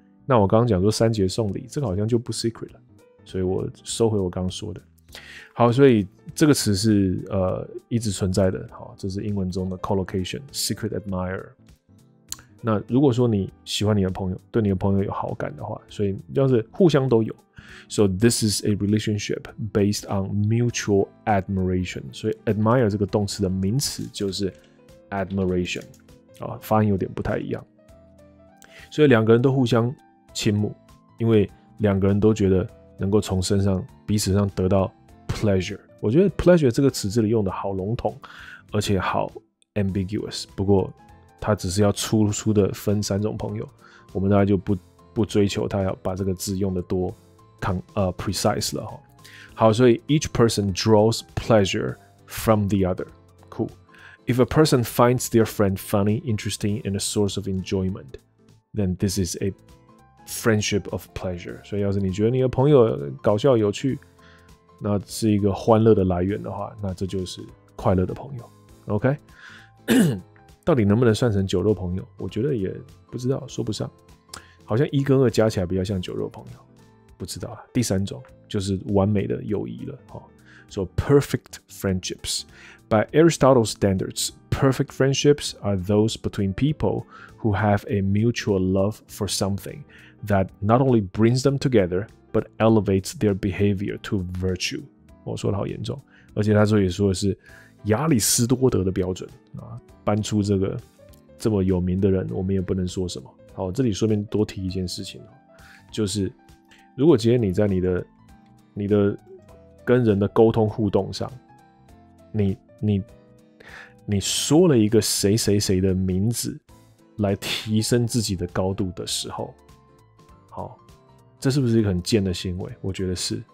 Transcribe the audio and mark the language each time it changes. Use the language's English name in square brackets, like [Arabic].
[Chinese] 那我刚刚讲说三节送礼，这个好像就不 secret 了，所以我收回我刚刚说的。好，所以这个词是一直存在的。好，这是英文中的 [English] collocation secret admirer。 [Chinese] 那如果说你喜欢你的朋友，对你的朋友有好感的话，所以要是互相都有。 [English] So this is a relationship based on mutual admiration. [Chinese] 所以 admire 这个动词的名词就是 admiration、啊、发音有点不太一样。所以两个人都互相倾慕，因为两个人都觉得能够从身上彼此上得到 pleasure。我觉得 pleasure 这个词这里用的好笼统，而且好 ambiguous， 不过他只是要粗粗的分三种朋友，我们大概就 不追求他要把这个字用的多precise 了。好，所以 [English] each person draws pleasure from the other. Cool. If a person finds their friend funny, interesting, and a source of enjoyment, then this is a friendship of pleasure. [Chinese] 所以要是你觉得你的朋友搞笑有趣，那是一个欢乐的来源的话，那这就是快乐的朋友。 [English] OK? [Chinese] 到底能不能算成酒肉朋友，我觉得也不知道，说不上。好像一跟二加起来比较像酒肉朋友。不知道啊，第三种就是完美的友谊了。 [English] So perfect friendships. By Aristotle's standards, perfect friendships are those between people who have a mutual love for something that not only brings them together, but elevates their behavior to virtue. [Chinese] 我说的好严重。而且他说也说的是亚里斯多德的标准。啊、搬出这个这么有名的人，我们也不能说什么。好，这里顺便多提一件事情，就是如果今天你在你的跟人的沟通互动上，你说了一个谁谁谁的名字来提升自己的高度的时候，好，这是不是一个很贱的行为？我觉得是。